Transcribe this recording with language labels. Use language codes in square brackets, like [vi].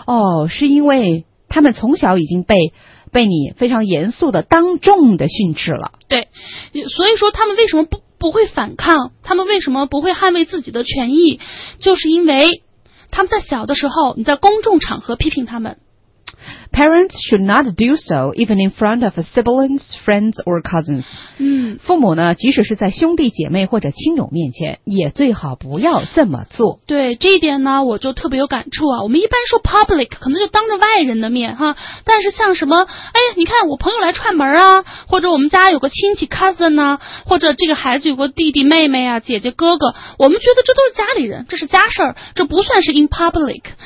[zh] 哦，是因为他们从小已经被你非常严肃的当众的训斥了。对，所以说他们为什么不会反抗，他们为什么不会捍卫自己的权益，就是因为他们在小的时候，你在公众场合批评他们。 [en] Parents should not do so, even in front of siblings, friends, or cousins. [zh] 嗯，父母呢，即使是在兄弟姐妹或者亲友面前，也最好不要这么做。对，这一点呢，我就特别有感触啊。我们一般说 public, 可能就当着外人的面哈。但是像什么，哎，你看我朋友来串门啊，或者我们家有个亲戚 cousin 呢、啊，或者这个孩子有个弟弟妹妹啊，姐姐哥哥，我们觉得这都是家里人，这是家事儿，这不算是 in public。